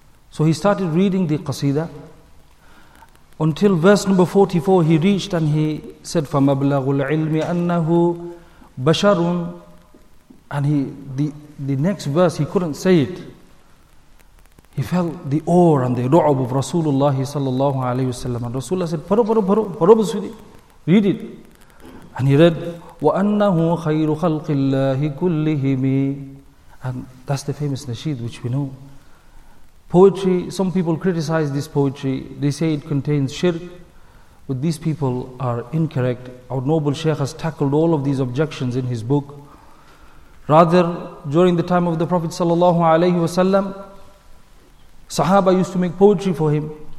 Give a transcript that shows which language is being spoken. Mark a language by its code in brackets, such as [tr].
[en] So he started reading the Qasida until verse number 44 he reached, and he said, [ar] فَمَبْلَغُ الْعِلْمِ أَنَّهُ بَشَرٌ. [en] And the next verse, he couldn't say it. He felt the awe and the ru'ub of Rasulullah sallallahu alayhi wasallam. And Rasulullah said, paro, Busiri, read it. And he read, [ar] وَأَنَّهُ خَيْرُ خَلْقِ اللَّهِ كُلِّهِمِ. [en] And that's the famous nasheed which we know. Poetry, some people criticize this poetry. They say it contains shirk. But these people are incorrect. Our noble Shaykh has tackled all of these objections in his book. Rather, during the time of the Prophet sallallahu alayhi wasallam, Sahaba used to make poetry for him.